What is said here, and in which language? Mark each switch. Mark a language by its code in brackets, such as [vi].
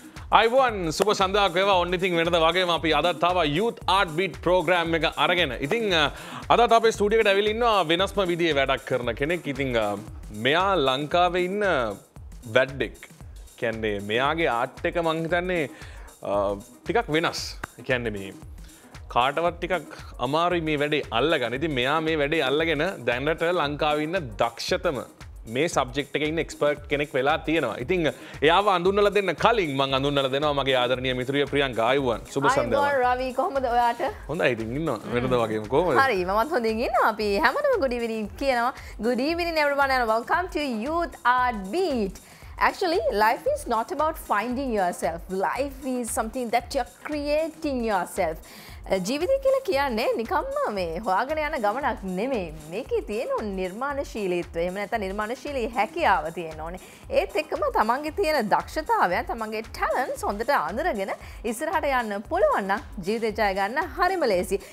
[si] Ivan සුබ සඳාක් වේවා ඔන්න ඉතින් වෙනද වගේම අපි අද තව යූත් ආට් බීට් ප්‍රෝග්‍රෑම් එක අරගෙන ඉතින් අද අපේ ස්ටුඩියෝ එකට ඇවිල්ලා ඉන්නවා වෙනස්ම විදිහේ වැඩක් කරන කෙනෙක් ඉතින් මෙයා ලංකාවේ ඉන්න වැඩෙක් කියන්නේ මෙයාගේ ආට් එක මං හිතන්නේ ටිකක් වෙනස් කියන්නේ මේ කාටවත් ටිකක් අමාරුයි මේ වැඩේ අල්ලගන්න ඉතින් මෙයා මේ වැඩේ අල්ලගෙන දැනට ලංකාවේ ඉන්න දක්ෂතම මේ සබ්ජෙක්ට් එකේ ඉන්න එක්ස්පර්ට් කෙනෙක් වෙලා තියෙනවා. ඉතින් එයාව අඳුන්වලා දෙන්න කලින් මම අඳුන්වලා දෙනවා මගේ ආදරණීය මිතුරිය ප්‍රියංග ආයුවන්. සුබ සන්දේවා. ආයුවන් රවි කොහමද ඔයාට? හොඳයි ඉතින් ඉන්නවා. වෙනද වගේම කොහමද? හරි මමත් හොඳින් ඉන්නවා. අපි හැමෝටම [en] good evening [si] කියනවා. [en] Good evening everyone and welcome to Youth Art Beat. Actually, life is not about finding yourself. Life is something that you're creating yourself. [si] ජීවිතය කියලා කියන්නේ නිකම්ම මේ හොයාගෙන යන ගමනක් නෙමෙයි. මේකේ තියෙන නිර්මාණශීලීත්වය, එහෙම නැත්නම් නිර්මාණශීලී හැකියාව තියෙන ඕනේ. ඒත් එක්කම තමන්ගේ තියෙන දක්ෂතාවයන්, තමන්ගේ ටැලන්ට්ස් හොඳට අඳුරගෙන ඉස්සරහට යන්න පුළුවන් නම් ජීවිතය ජය ගන්න හරිම ලේසි.